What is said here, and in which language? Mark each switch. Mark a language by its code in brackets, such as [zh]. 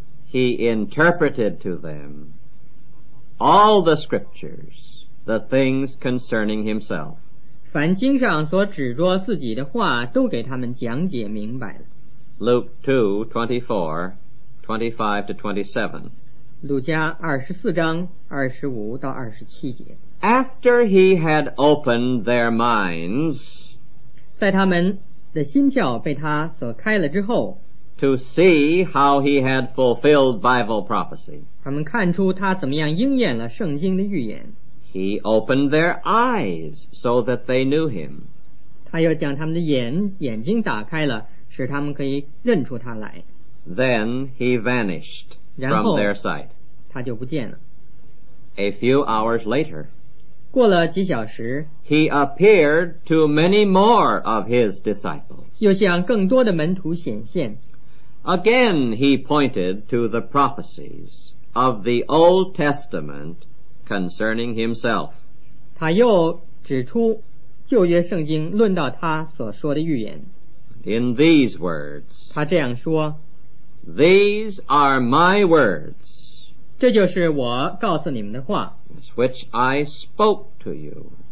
[en] He interpreted to them all the scriptures， the things concerning himself， [zh] 凡经上所指着自己的话都给他们讲解明白了。 [en] Luke 2:24-25-27， [zh] 路加二十四章二十五到二十七节。 [en] After he had opened their minds, [zh] 在他们的心窍被他所开了之后 [en] ，to see how he had fulfilled Bible prophecy， [zh] 他们看出他怎么样应验了圣经的预言。 [en] He opened their eyes so that they knew him， [zh] 他又将他们的眼睛打开了，使他们可以认出他来。 [en] Then he vanished from their sight， [zh] 他就不见了。 [en] A few hours later， [zh] 过了几小时， [en] he appeared to many more of his disciples， [zh] 又向更多的门徒显现。 [en] Again he pointed to the prophecies of the Old Testament concerning himself， [zh] 他又指出旧约圣经论到他所说的预言。 [en] In these words， [zh] 他这样说， [en] These are my words， [zh] 这就是我告诉你们的话， [en] which I spoke to you，